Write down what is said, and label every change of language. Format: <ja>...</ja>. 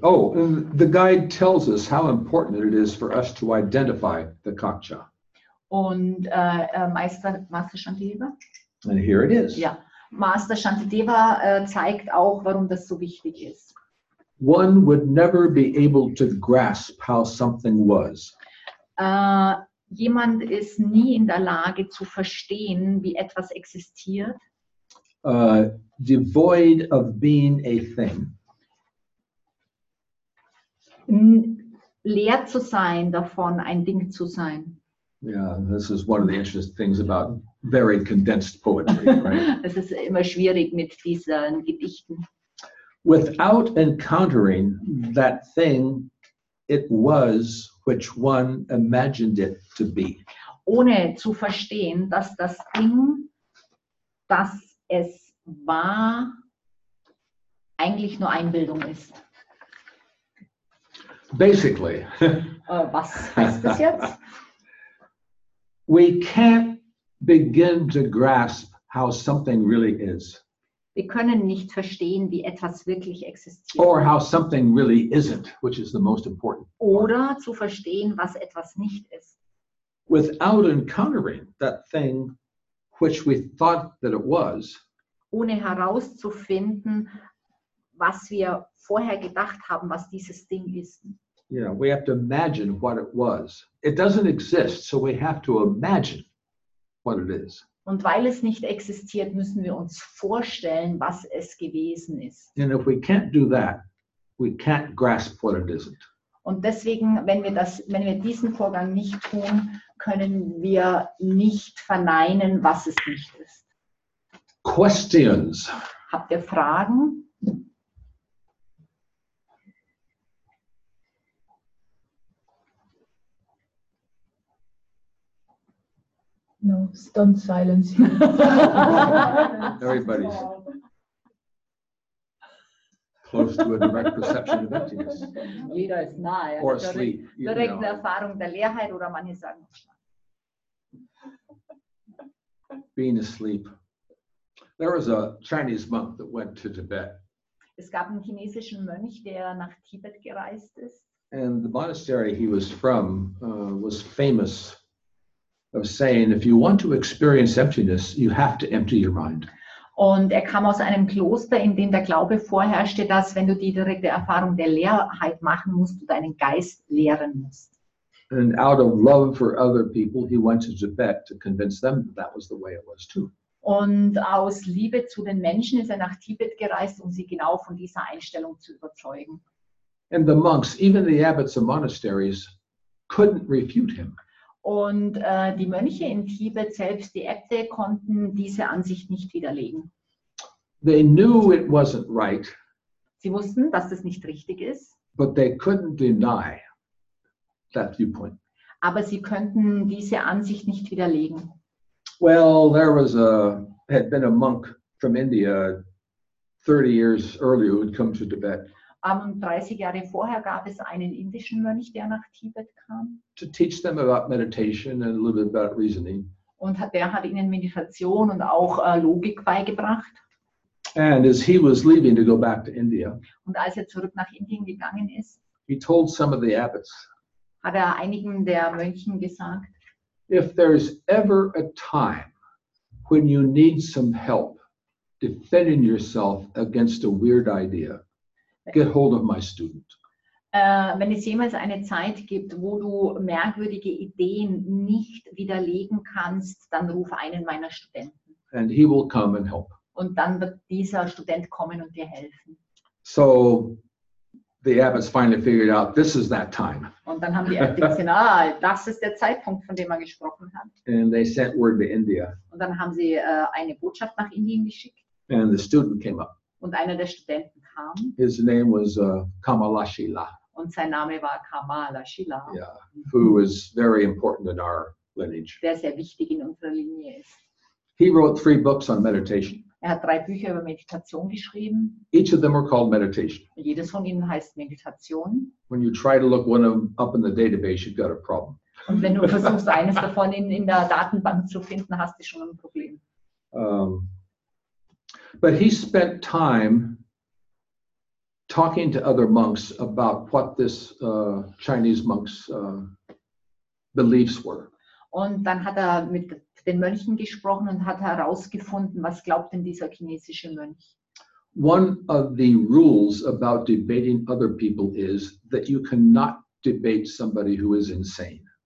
<en>Oh, and the guide tells us how important it is for us to identify the kaccha.</en> <de>Und Meister Shantideva.</de> <en>And here it is.</en> <de>Ja, Meister Shantideva zeigt auch, warum das so wichtig ist.</de> <en>One would never be able to grasp how something was.</en> <de>Jemand ist nie in der Lage zu verstehen, wie etwas existiert.</de> <en>Devoid of being a thing.</en> <de>Leer zu sein davon, ein Ding zu sein.</de> <en>Yeah, this is one of the interesting things about very condensed poetry, right?</en> <de>Es ist immer schwierig mit diesen Gedichten.</de> <en>Without encountering that thing it was which one imagined it to be.</en> <de>Ohne zu verstehen, dass das Ding, das es war, eigentlich nur Einbildung ist.</de> <en>Basically.</en> <de>Was heißt das jetzt?</de> <en>We can't begin to grasp how something really is.</en> <de>Wir können nicht verstehen, wie etwas wirklich existiert.</de> <en>Or how something really isn't, which is the most important.</en> <de>Oder zu verstehen, was etwas nicht ist.</de> <en>Without encountering that thing which we thought that it was.</en> <de>Ohne herauszufinden, was wir vorher gedacht haben, was dieses Ding ist.</de> <en>Yeah, we have to imagine what it was. It doesn't exist, so we have to imagine what it is.</en> <de>Und weil es nicht existiert, müssen wir uns vorstellen, was es gewesen ist.</de> <en>And if we can't do that, we can't grasp what it isn't.</en> <de>Und deswegen, wenn wir diesen Vorgang nicht tun, können wir nicht verneinen, was es nicht ist.</de> <en>Questions.</en> <de>Habt ihr Fragen?</de> <en>No, stunned silence. Everybody's close to a direct perception of emptiness.</en> <de>Jeder ist nahe.</de> <en>Or asleep.</en> <de>Direkte know. Erfahrung der Leerheit, oder manche sagen.</de> <en>Being asleep. There was a Chinese monk that went to Tibet.</en> <de>Es gab einen chinesischen Mönch, der nach Tibet gereist ist.</de> <en>And the monastery he was from was famous of saying, if you want to experience emptiness, you have to empty your mind.</en> <de>Und er kam aus einem Kloster, in dem der Glaube vorherrschte, dass wenn du die direkte Erfahrung der Leerheit machen musst, du deinen Geist leeren musst.</de> <en>And out of love for other people, he went to Tibet to convince them that, that was the way it was too.</en> <de>Und aus Liebe zu den Menschen ist er nach Tibet gereist, um sie genau von dieser Einstellung zu überzeugen.</de> <en>And the monks, even the abbots of monasteries, couldn't refute him.</en> <de>Und die Mönche in Tibet, selbst die Äbte, konnten diese Ansicht nicht widerlegen.</de> <en>They knew it wasn't right.</en> <de>Sie wussten, dass das nicht richtig ist.</de> <en>But they couldn't deny that viewpoint.</en> <de>Aber sie könnten diese Ansicht nicht widerlegen.</de> <en>Well, there was had been a monk from India 30 years earlier who had come to Tibet.</en> <de>30 Jahre vorher gab es einen indischen Mönch, der nach Tibet kam.</de> <en>To teach them about meditation and a little bit about reasoning.</en> <de>Und der hat ihnen Meditation und auch Logik beigebracht.</de> <en>And as he was leaving to go back to India.</en> <de>Und als er zurück nach Indien gegangen ist.</de> <en>He told some of the abbots.</en> <de>Hat er einigen der Mönchen gesagt.</de> <en>If there is ever a time when you need some help defending yourself against a weird idea. Get hold of my student.</en> <de>Wenn es jemals eine Zeit gibt, wo du merkwürdige Ideen nicht widerlegen kannst, dann ruf einen meiner Studenten.</de> <en>And he will come and help.</en> <de>Und dann wird dieser Student kommen und dir helfen.</de> <en>So the abbots finally figured out this is that time.</en> <de>Und dann haben die Äbte gesehen, das ist der Zeitpunkt, von dem er gesprochen hat.</de> <en>And they sent word to India.</en> <de>Und dann haben sie eine Botschaft nach Indien geschickt.</de> <en>And the student came up.</en> <de>Und einer der Studenten kam.</de> <en>His name was Kamalashila.</en> <de>Und sein Name war Kamalashila.</de> <en>Yeah, who is very important in our lineage.</en> <de>Der sehr wichtig in unserer Linie ist.</de> <en>He wrote 3 books on meditation.</en> <de>Er hat 3 Bücher über Meditation geschrieben.</de> <en>Each of them are called meditation.</en> <de>Jedes von ihnen heißt Meditation.</de> <en>When you try to look one of them up in the database, you've got a problem.</en> <de>Und wenn du versuchst, eines davon in der Datenbank zu finden, hast du schon ein Problem.</de> <en>But he spent time talking to other monks about what this Chinese monk's beliefs were.</en> <de>Und dann hat er mit den Mönchen gesprochen und hat herausgefunden, was glaubt denn dieser chinesische Mönch?</de> <en>One of the rules about debating other people is that you cannot debate somebody who is insane.</en>